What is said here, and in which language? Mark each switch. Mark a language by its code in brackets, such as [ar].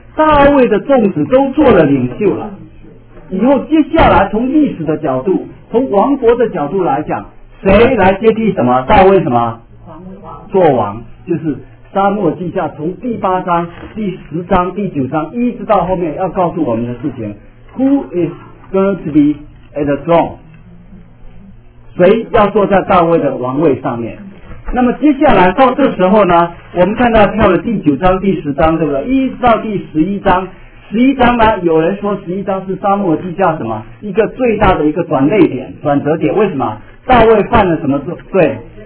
[zh] 大卫的众子都做了领袖了，以后接下来从历史的角度，从王国的角度来讲，谁来接替什么大卫什么做王？就是沙漠记下从第八章第十章第九章一直到后面要告诉我们的事情。 [en] Who is going to be at the throne？ [zh] 谁要坐在大卫的王位上面？那么接下来到这时候呢，我们看到跳了第九章第十章，对不对？一直到第十一章，十一章呢，有人说十一章是沙漠记下什么一个最大的一个转捩点、转折点。为什么？大卫犯了什么罪？